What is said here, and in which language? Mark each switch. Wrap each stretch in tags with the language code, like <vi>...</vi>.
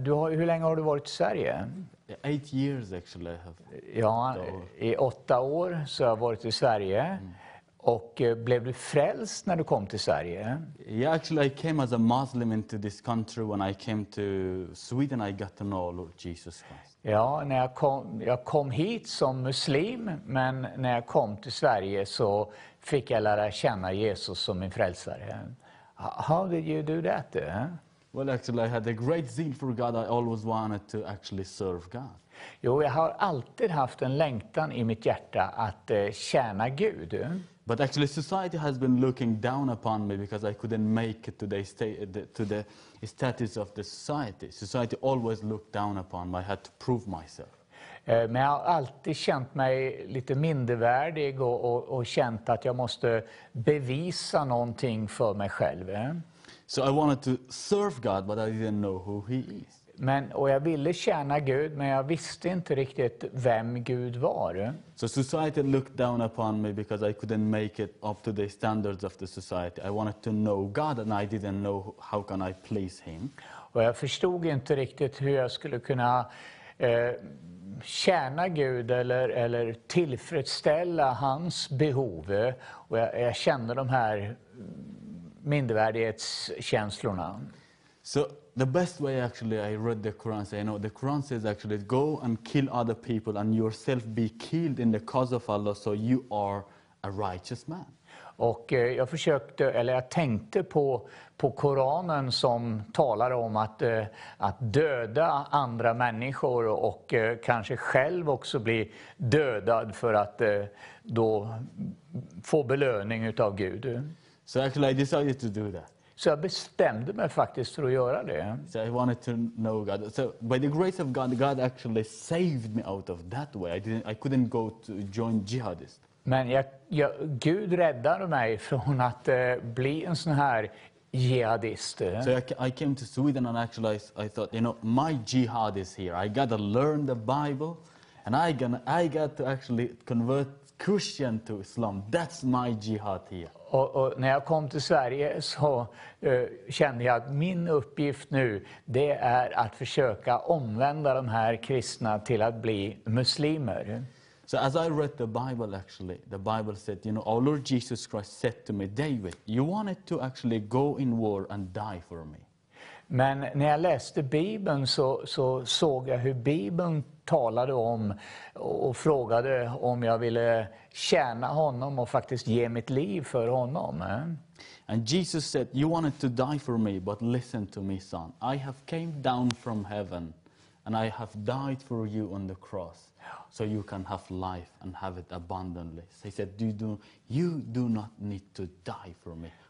<sv>Hur länge har du varit i Sverige?</sv> <en>8 years actually.</en> <sv>Ja, i 8 år så har jag varit i Sverige. Och blev du frälst när du kom till Sverige?</sv> <en>Yeah, actually I came as a Muslim into this country when I came to Sweden. I got to know Lord Jesus Christ.</en> <sv>Ja, när jag kom hit som muslim, men när jag kom till Sverige så fick jag lära känna Jesus som min frälsare.</sv> <en>How did you do that? Well, actually I had a great zeal for God. I always wanted to actually serve God.</en> <sv>Jo, jag har alltid haft en längtan i mitt hjärta att tjäna Gud.</sv> <en>But actually society has been looking down upon me because I couldn't make it to the status of the society. Society always looked down upon me. I had to prove myself.</en> <sv>Men jag har alltid känt mig lite mindervärdig och känt att jag måste bevisa någonting för mig själv.</sv> <en>So I wanted to serve God, but I didn't know who he is.</en> <sv>Men och jag ville tjäna Gud, men jag visste inte riktigt vem Gud var.</sv> <en>So society looked down upon me because I couldn't make it up to the standards of the society. I wanted to know God and I didn't know how can I please him.</en> <sv>Och jag förstod inte riktigt hur jag skulle kunna tjäna Gud eller tillfredsställa hans behov. Och jag kände de här mindervärdighetskänslorna.</sv> <en>So the best way actually I read the Quran, say, you know, the Quran says actually go and kill other people and yourself be killed in the cause of Allah so you are a righteous man.</en> <sv>Och jag försökte eller jag tänkte på Koranen som talar om att döda andra människor och kanske själv också bli dödad för att då få belöning utav Gud.</sv> <en>So actually I decided to do that.</en> <sv>Så jag bestämde mig faktiskt för att göra det.</sv> <en>So I wanted to know God. So by the grace of God, God actually saved me out of that way. I couldn't go to join jihadists.</en> <sv>Men Gud räddade mig från att bli en sån här jihadist.</sv> <en>So I came to Sweden and actually I thought, you know, my jihad is here. I got to learn the Bible and I got to actually convert Christian to Islam. That's my jihad here.</en> <sv>Och när jag kom till Sverige så kände jag att min uppgift nu det är att försöka omvända de här kristna till att bli muslimer.</sv> <en>So as I read the Bible actually, the Bible said, you know, our Lord Jesus Christ said to me, David, you wanted to actually go in war and die for me.</en> <sv>Men när jag läste Bibeln så såg jag hur Bibeln talade om och frågade om jag ville tjäna honom och faktiskt ge mitt liv för honom.</sv> <en>And Jesus said, you wanted to die for me, but listen to me, son. I have came down from heaven and I have died for you on the cross so you can have life and have it abundantly. So he said, you do not need to die for me.</en>